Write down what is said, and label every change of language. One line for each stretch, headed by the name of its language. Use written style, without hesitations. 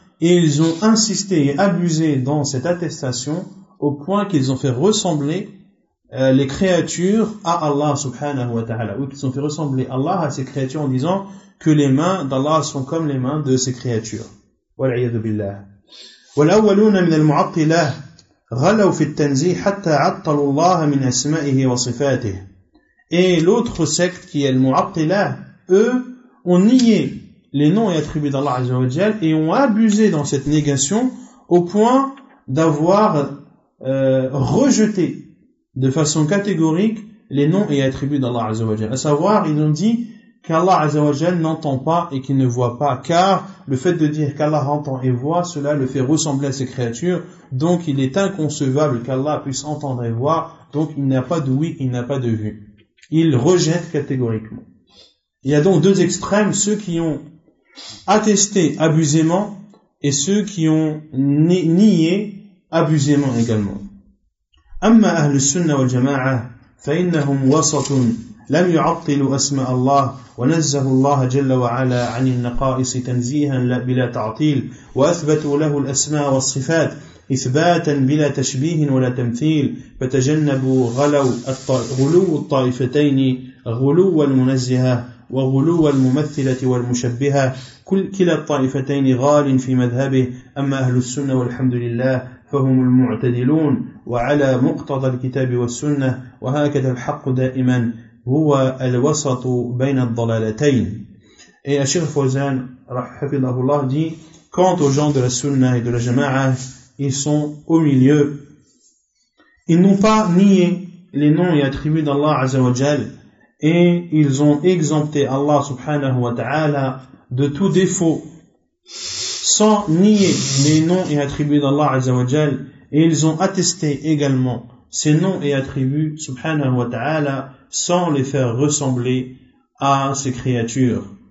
French: Et ils ont insisté et abusé dans cette attestation au point qu'ils ont fait ressembler les créatures à Allah subhanahu wa ta'ala. Ou qu'ils ont fait ressembler Allah à ses créatures en disant que les mains d'Allah sont comme les mains de ses créatures.
Arabic: Wal'iyadu billah. Wal'awwaluna min al-mu'attilah غلوا في التنزيه حتى عطلوا الله من أسمائه وصفاته.
French: Et l'autre secte qui est le Mu'attila, eux ont nié les noms et attributs d'Allah Azza wa Jal et ont abusé dans cette négation au point d'avoir rejeté de façon catégorique les noms et attributs d'Allah Azza wa Jal. À savoir, ils ont dit qu'Allah Azza wa Jal n'entend pas et qu'il ne voit pas, car le fait de dire qu'Allah entend et voit, cela le fait ressembler à ses créatures, donc il est inconcevable qu'Allah puisse entendre et voir, donc il n'a pas de oui, il n'a pas de vue. Il rejette catégoriquement. Il y a donc deux extrêmes, ceux qui ont attesté abusément et ceux qui ont nié abusément également.
Arabic: Amma ahlus sunna wal jama'a fa innahum wasatun لم يعطلوا أسماء الله ونزه الله جل وعلا عن النقائص تنزيها بلا تعطيل وأثبتوا له الأسماء والصفات إثباتا بلا تشبيه ولا تمثيل فتجنبوا غلو الطائفتين غلو المنزهة وغلو الممثلة والمشبهة كلا الطائفتين غال في مذهبه أما أهل السنة والحمد لله فهم المعتدلون وعلى مقتضى الكتاب والسنة وهكذا الحق دائما هو الوسط بين الضلالتين.
French: Et Cheikh Fawzan, hafidhahullah, dit, quant aux gens de la sunna et de la jama'a, ils sont au milieu. Ils n'ont pas nié les noms et attributs d'Allah Azza wa Jal, et ils ont exempté Allah subhanahu wa ta'ala de tout défaut, sans nier les noms et attributs d'Allah Azza wa Jal, et ils ont attesté également ces noms et attributs subhanahu wa ta'ala sans les faire ressembler à ces créatures.